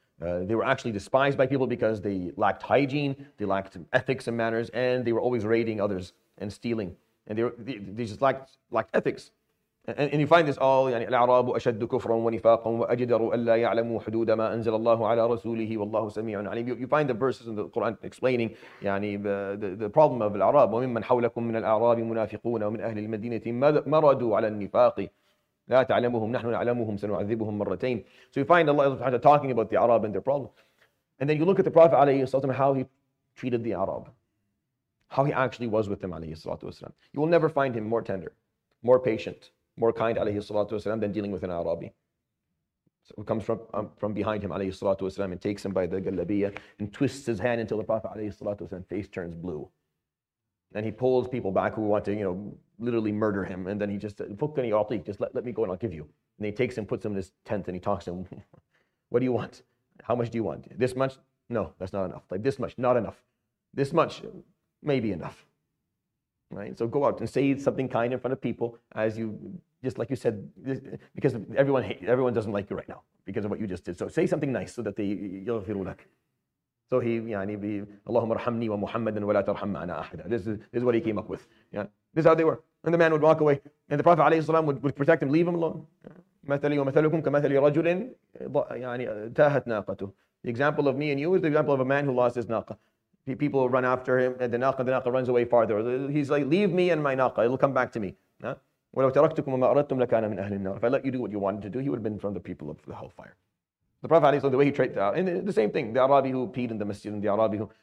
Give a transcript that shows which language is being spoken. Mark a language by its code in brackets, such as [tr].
[en] They were actually despised by people because they lacked hygiene, they lacked ethics and manners, and they were always raiding others and stealing. And they just lacked ethics. And you find this all, [ar] يعني الأعراب أشد كفرا ونفاقا وأجدر ألا يعلموا حدود ما أنزل الله على رسوله والله سميع عليم. [en] You find the verses in the Quran explaining يعني the problem of الأعراب. [ar] وممن حولكم من الأعراب منافقون ومن أهل المدينة مردوا على النفاق لا تعلمهم نحن نعلمهم سنعذبهم مرتين. [en] So you find Allah subhanahu wa ta'ala talking about the Arab and their problem. And then you look at the Prophet عليه الصلاة والسلام, how he treated the Arab. How he actually was with them عليه الصلاة والسلام. You will never find him more tender, more patient, more kind, alayhi salatu wasalam, than dealing with an Arabi. So who comes from behind him, alayhi salatu wasalam, and takes him by the galabiyah and twists his hand until the Prophet, alayhi salatu wasalam, face turns blue. And he pulls people back who want to, you know, literally murder him. And then he just, [ar] fukkani atik, [en] just let me go and I'll give you. And he takes him, puts him in his tent, and he talks to him, what do you want? How much do you want? This much? No, that's not enough. Like this much, not enough. This much, maybe enough. Right, so go out and say something kind in front of people, as you just like you said, because everyone doesn't like you right now because of what you just did. So say something nice so that they [ar] yaghfiru lak. [en] So he, [ar] يعني, اللهم ارحمني ومحمدا ولا ترحم معنا أحدا. [en] This is what he came up with. Yeah, this is how they were. And the man would walk away, and the Prophet عليه الصلاة والسلام would protect him, leave him alone. [ar] مثلي ومثلكم كمثل رجل يعني تاهت ناقته. [en] The example of me and you is the example of a man who lost his naqa. People run after him, and the naqa runs away farther. He's like, leave me and my naqa, it'll come back to me. Huh? If I let you do what you wanted to do, he would have been from the people of the hellfire. The Prophet, the way he treated the same thing, the Arabi who peed in the masjid, and the Arabi who...